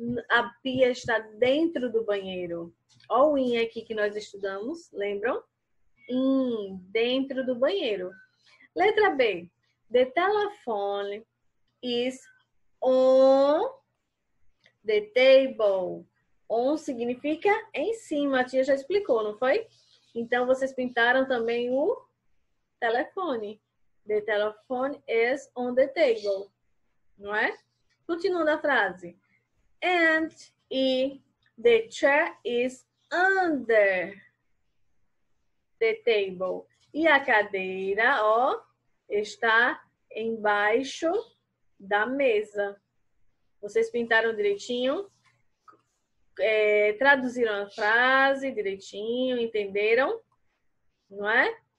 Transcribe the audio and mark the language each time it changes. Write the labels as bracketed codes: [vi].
[pt] A pia está dentro do banheiro. Olha o in aqui que nós estudamos, lembram? In, dentro do banheiro. Letra B. [en] The telephone is on the table. [pt] On significa em cima. A tia já explicou, não foi? Então vocês pintaram também o telefone. [en] The telephone is on the table. [pt] Não é? Continuando a frase. [en] And e the chair is under the table. [pt] E a cadeira, ó, está embaixo da mesa. Vocês pintaram direitinho? Traduziram a frase direitinho? Entenderam? Não é?